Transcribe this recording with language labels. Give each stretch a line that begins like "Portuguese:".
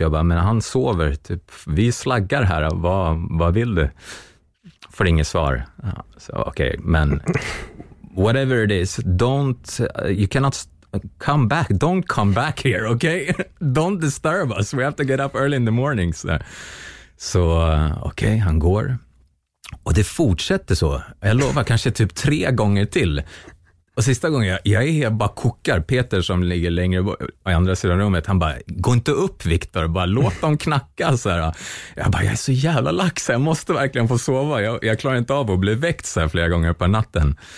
Swedish: Jag bara, men han sover, typ, vi slaggar här, vad vill du? Får inget svar.
English: Så okay, men whatever it is, don't, you cannot come back, don't come back here, okay? Don't disturb us, we have to get up early in the morning.
Swedish: Så så okej, okay, han går. Och det fortsätter så. Jag lovar, kanske typ 3 gånger till. Och sista gången, jag är helt bara kokar. Peter som ligger längre på andra sidan rummet, han bara, gå inte upp Viktor, bara låt dem knacka. Så här. Jag bara, jag är så jävla lax, jag måste verkligen få sova. Jag klarar inte av att bli väckt så här flera gånger på natten.